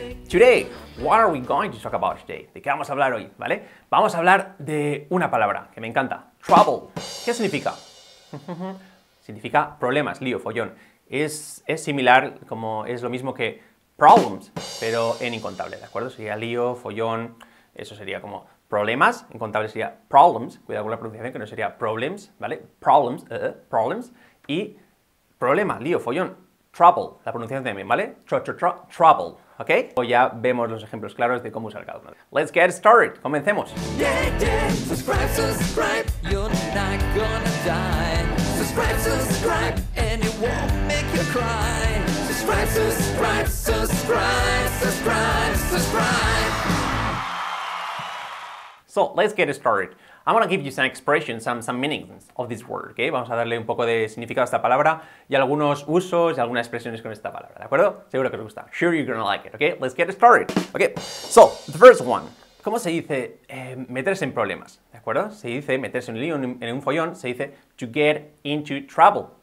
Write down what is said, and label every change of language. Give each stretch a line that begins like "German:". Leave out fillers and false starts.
English: Today, what are we going to talk about today?
Spanish: ¿De qué vamos a hablar hoy, vale? Vamos a hablar de una palabra que me encanta, trouble. ¿Qué significa? Significa problemas, lío, follón. Es similar, como es lo mismo que problems, pero en incontable, ¿de acuerdo? Sería lío, follón, eso sería como problemas, incontable sería problems, cuidado con la pronunciación, que no sería problems, ¿vale? Problems, problems, y problema, lío, follón, trouble, la pronunciación también, ¿vale? Trouble, ¿ok? O ya vemos los ejemplos claros de cómo usar cada uno.
English: Let's get started,
Spanish: comencemos.
English: Yeah, yeah, subscribe, subscribe, you're not gonna die. Subscribe, subscribe, and it won't make you cry. Subscribe, subscribe, subscribe, subscribe, subscribe. So, let's get started. I'm going to give you some expressions, some meanings of this word, okay?
Spanish: Vamos a darle un poco de significado a esta palabra y algunos usos y algunas expresiones con esta palabra, ¿de acuerdo? Seguro que os gusta.
English: Sure you're going to like it, okay? Let's get started. Okay, so, the first one.
Spanish: ¿Cómo se dice meterse en problemas? ¿De acuerdo? Se dice meterse en un lío, en un follón, se dice
English: to get into trouble.